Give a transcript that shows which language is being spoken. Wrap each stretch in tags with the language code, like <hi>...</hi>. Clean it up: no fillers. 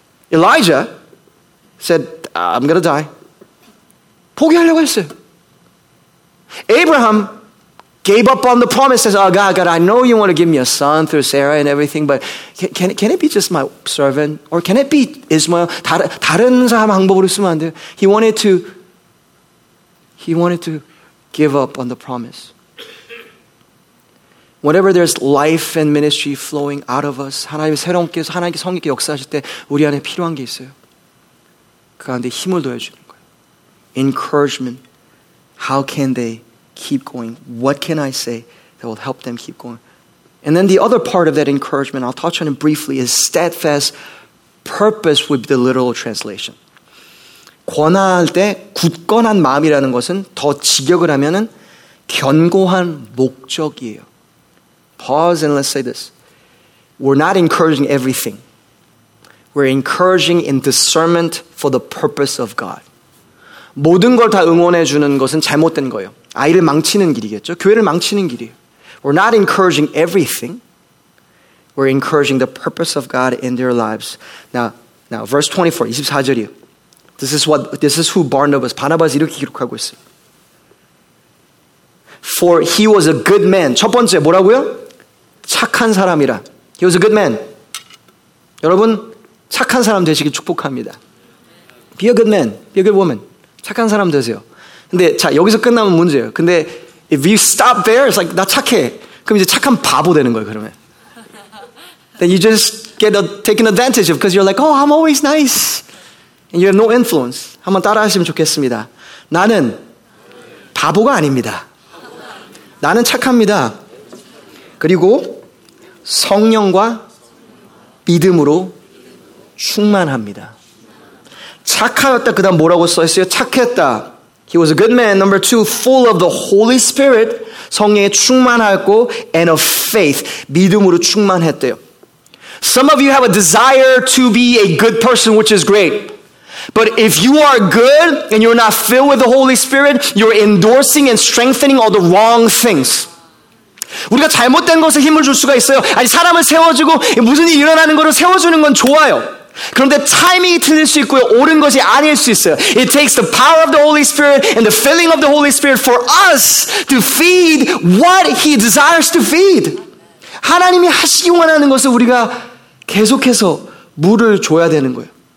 <en>Elijah said, I'm going to die.</en> <ko>포기하려고 했어요.</ko> <en>Abraham gave up on the promise, says, oh God, I know you want to give me a son through Sarah and everything, but can it be just my servant? Or can it be Ishmael?</en> <ko>다른 사람 방법으로 쓰면 안 돼요.</ko> <en>He wanted to give up on the promise. Whenever there's life and ministry flowing out of us,</en> <ko>하나님의 새롭게서 하나님께 성격 역사하실 때 우리 안에 필요한 게 있어요. 그 안에 힘을 더해주는 거예요.</ko> <en>Encouragement. How can they keep going? What can I say that will help them keep going? And then the other part of that encouragement, I'll touch on it briefly, is steadfast purpose with the literal translation.</en> <ko>권할 때 굳건한 마음이라는 것은 더 직역을 하면은 견고한 목적이에요.</ko> <en>Pause and let's say this. We're not encouraging everything. We're encouraging in discernment for the purpose of God.</en> <ko>모든 걸 다 응원해 주는 것은 잘못된 거예요. 아이를 망치는 길이겠죠. 교회를 망치는 길이에요.</ko> <en>We're not encouraging everything. We're encouraging the purpose of God in their lives. Now verse 24,</en> <ko>24절이요.</ko> <en>This is who Barnabas.</en> <ko>바나바스 이렇게 기록하고 있어요.</ko> <en>For he was a good man.</en> <ko>첫 번째 뭐라고요? 착한 사람이라.</ko> <en>He was a good man.</en> <ko>여러분 착한 사람 되시길 축복합니다.</ko> <en>Be a good man. Be a good woman.</en> <ko>착한 사람 되세요. 근데 자 여기서 끝나면 문제예요. 근데</ko> <en>if you stop there, it's like</en> <ko>나 착해. 그럼 이제 착한 바보 되는 거예요. 그러면</ko> <en>then you just get taken advantage of because you're like, oh, I'm always nice, and you have no influence.</en> <ko>한번 따라하시면 좋겠습니다. 나는 바보가 아닙니다. 나는 착합니다. 그리고 성령과 믿음으로 충만합니다. 착하였다. 그 다음 뭐라고 써있어요? 착했다.</ko> <en>He was a good man. Number two, full of the Holy Spirit.</en> <ko>성령에 충만하였고</ko> <en>and of faith.</en> <ko>믿음으로 충만했대요.</ko> <en>Some of you have a desire to be a good person, which is great. But if you are good and you're not filled with the Holy Spirit, you're endorsing and strengthening all the wrong things.</en> <ko>우리가 잘못된 것에 힘을 줄 수가 있어요. 아니 사람을 세워주고 무슨 일이 일어나는 것을 세워주는 건 좋아요. 그런데 타이밍이 틀릴 수 있고요. 옳은 것이 아닐 수 있어요.</ko> <en>It takes the power of the Holy Spirit and the filling of the Holy Spirit for us to feed what He desires to feed.</en> <ko>하나님이 하시기 원하는 것을 우리가 계속해서 물을 줘야 되는 거예요.</ko>